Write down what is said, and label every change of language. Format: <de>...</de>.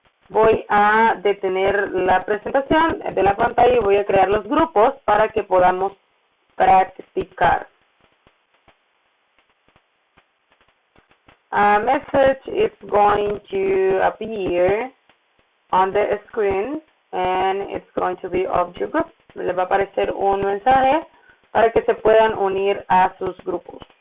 <es>Voy a detener la presentación de la pantalla y voy a crear los grupos para que podamos practicar.</es> <en>A message is going to appear on the screen and it's going to be of your group.</en> <es>Les va a aparecer un mensaje para que se puedan unir a sus grupos.</es>